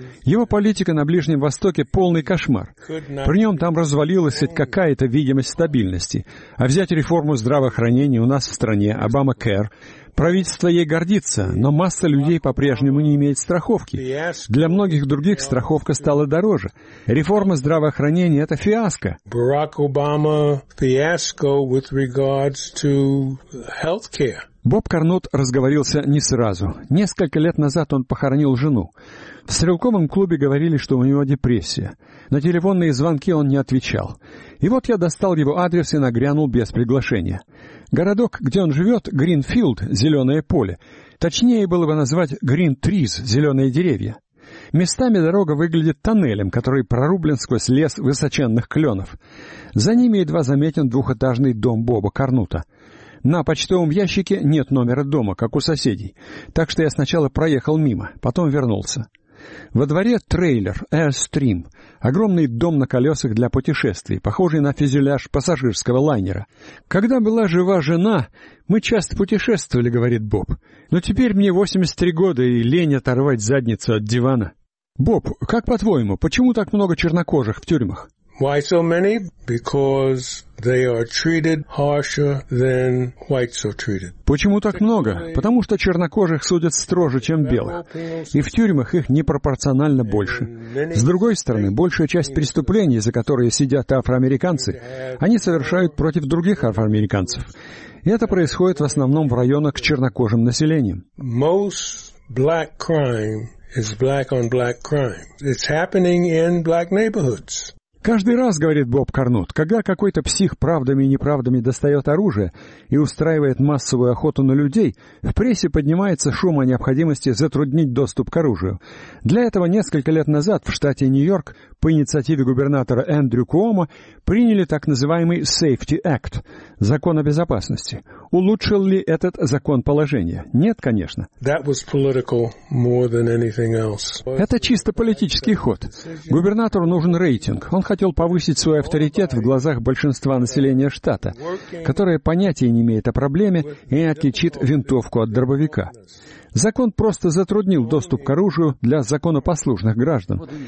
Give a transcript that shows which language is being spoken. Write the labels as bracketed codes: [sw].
[ru] Его политика на Ближнем Востоке — полный кошмар. При нем там развалилась хоть какая-то видимость стабильности. А взять реформу здравоохранения у нас в стране, Обамакэр, правительство ей гордится, но масса людей по-прежнему не имеет страховки. Для многих других страховка стала дороже. Реформа здравоохранения — это фиаско. [en] Барак Обама фиаско with regards to healthcare. [ru] Боб Карнот разговорился не сразу. Несколько лет назад он похоронил жену. В стрелковом клубе говорили, что у него депрессия. На телефонные звонки он не отвечал. И вот я достал его адрес и нагрянул без приглашения. Городок, где он живет, Гринфилд, зеленое поле. Точнее было бы назвать Грин Триз, зеленые деревья. Местами дорога выглядит тоннелем, который прорублен сквозь лес высоченных кленов. За ними едва заметен двухэтажный дом Боба Карнота. На почтовом ящике нет номера дома, как у соседей. Так что я сначала проехал мимо, потом вернулся. Во дворе трейлер Airstream, огромный дом на колесах для путешествий, похожий на фюзеляж пассажирского лайнера. «Когда была жива жена, мы часто путешествовали», — говорит Боб. «Но теперь мне 83 года, и лень оторвать задницу от дивана». Боб, как по-твоему, почему так много чернокожих в тюрьмах? [en] Why so many? Because they are treated harsher than whites are treated. [ru] Почему так много? Потому что чернокожих судят строже, чем белых. И в тюрьмах их непропорционально больше. С другой стороны, большая часть преступлений, за которые сидят афроамериканцы, они совершают против других афроамериканцев. И это происходит в основном в районах с чернокожим населением. [en] Most black crime is black on black crime. It's happening in black neighborhoods. [ru] Каждый раз, говорит Боб Карнот, когда какой-то псих правдами и неправдами достает оружие и устраивает массовую охоту на людей, в прессе поднимается шум о необходимости затруднить доступ к оружию. Для этого несколько лет назад в штате Нью-Йорк по инициативе губернатора Эндрю Куомо приняли так называемый Safety Act – закон о безопасности. Улучшил ли этот закон положение? Нет, конечно. [en] That was political more than anything else. [ru] Это чисто политический ход. Губернатору нужен рейтинг. Он хотел повысить свой авторитет в глазах большинства населения штата, которое понятия не имеет о проблеме и не отличит винтовку от дробовика. Закон просто затруднил доступ к оружию для законопослушных граждан.